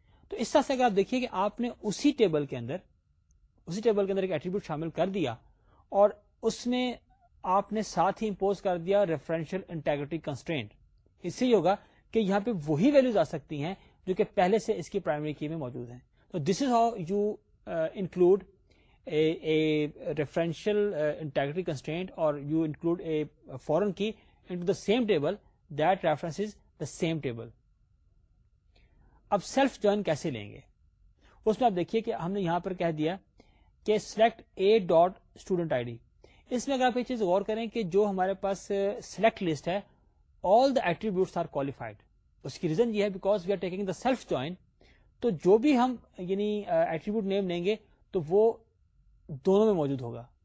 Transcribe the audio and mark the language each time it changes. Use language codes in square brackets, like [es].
[ur] تو اس طرح سے اگر آپ دیکھیے کہ آپ نے اسی ٹیبل کے اندر ایک ایٹریبیوٹ شامل کر دیا اور اس میں آپ نے ساتھ ہی امپوز کر دیا ریفرنشل انٹیگریٹی کنسٹرینٹ, اس سے یہ ہوگا کہ یہاں پہ وہی ویلوز آ سکتی ہیں جو کہ پہلے سے اس کی پرائمری کی میں موجود ہیں. تو [en] This is how you include a referential integrity constraint or you include a foreign key into the same table that references the same table. [ur] اب سیلف جوائن کیسے لیں گے؟ اس میں آپ دیکھیے کہ ہم نے یہاں پر کہہ دیا کہ select a dot student I D. اس میں اگر آپ یہ چیز غور کریں کہ جو ہمارے پاس سلیکٹ لسٹ ہے [en] All the attributes are qualified. [ur] اس کی ریزن یہ ہے [en] because we are taking the self join, [ur] تو جو بھی ہم یعنی ایٹریبیوٹ نیم لیں گے تو وہ دونوں میں موجود ہوگا.